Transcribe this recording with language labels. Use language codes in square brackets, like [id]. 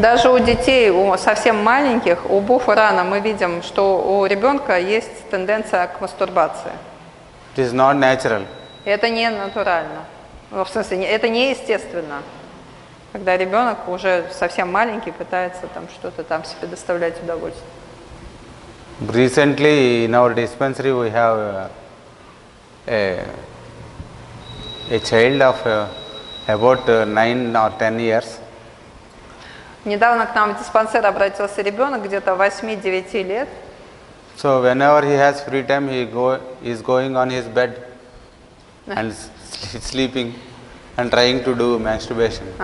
[ru] Даже у детей, у совсем маленьких, у Буфарана мы видим, что у ребенка есть тенденция к мастурбации. [en] It is not natural. [ru] Это не натурально. Ну, в смысле, это неестественно. Когда ребенок уже совсем маленький, пытается там что-то там себе доставлять удовольствие. [en] Recently in our dispensary we have a child of about 9 or 10 years. [ru] Недавно к нам в диспансер обратился ребенок где-то 8-9 лет. [en] So whenever he has free time, he is going on his bed and sleeping and trying to do masturbation.